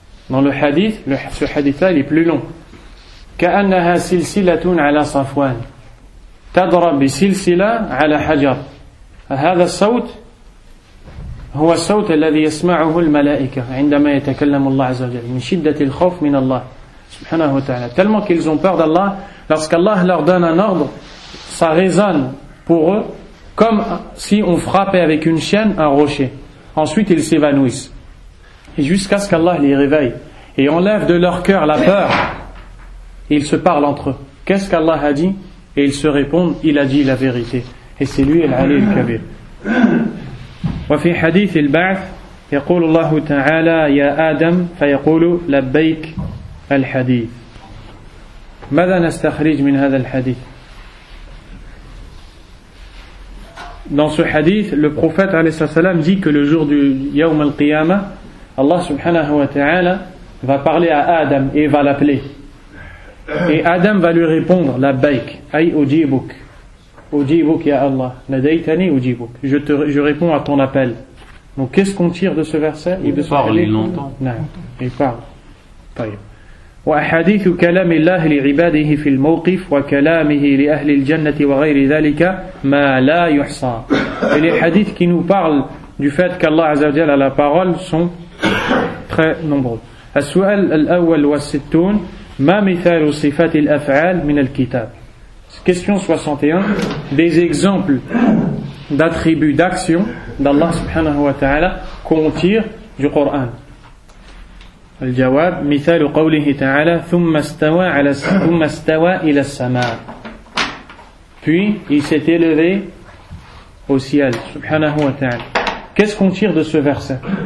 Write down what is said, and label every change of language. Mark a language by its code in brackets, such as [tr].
[fr] Dans le hadith, ce hadith-là, il est plus long. [ar] كَأَنَّهَا سِلْسِلَةٌ عَلَى صَفْوَانِ تَدْرَبْ بِسِلْسِلَةٌ عَلَى حَجَرْ هذا الصوت هو الصوت الذي يسمعه الملائكة عندما يتكلم الله عز وجل من شدة الخوف من الله سبحانه وتعالى [fr] tellement qu'ils ont peur d'Allah lorsqu'Allah leur donne un ordre ça résonne pour eux comme si on frappait avec une chaîne un rocher ensuite ils s'évanouissent et jusqu'à ce qu'Allah les réveille et enlève de leur cœur la peur ils se parlent entre eux qu'est-ce qu'Allah a dit et ils se répondent il a dit la vérité Et c'est lui l'Ali al-Kabir. [ar] وفي حديث البعث يقول الله تعالى يا آدم فيقول لبيك الحديث. ماذا نستخرج من هذا الحديث؟ [fr] Dans ce hadith, le prophète [ar] عليه الصلاة والسلام [fr] dit que le jour du [ar] يوم القيامة, [fr] Allah [ar] سبحانه وتعالى [fr] va parler à Adam et va l'appeler. Et Adam va lui répondre [ar] لبيك أي أجيبك. Ujibuk ya Allah, nadaytani ujibuk. [fr] Je réponds à ton appel. Donc qu'est-ce qu'on tire de ce verset? Il parle, il l'entend. Non, il parle. [ar] طيب. وأحاديث كلام الله لعباده في الموقف وكلامه لأهل الجنة وغير ذلك ما لا يحصى. [fr] Et les hadiths qui nous parlent du fait qu'Allah [ar] عز وجل [fr] a la parole sont très nombreux. [ar] السؤال الأول والستون ما مثال صفات الأفعال من الكتاب. [fr] Question 61. Des exemples d'attributs, d'actions d'Allah [ar] subhanahu wa ta'ala [fr] qu'on tire du Coran. [ar] Le jawab, مثال قوله تعالى ثم استوى إلى السماء. [fr] Puis il s'est élevé au ciel. [ar] Subhanahu wa ta'ala. [fr] Qu'est-ce qu'on tire de ce verset?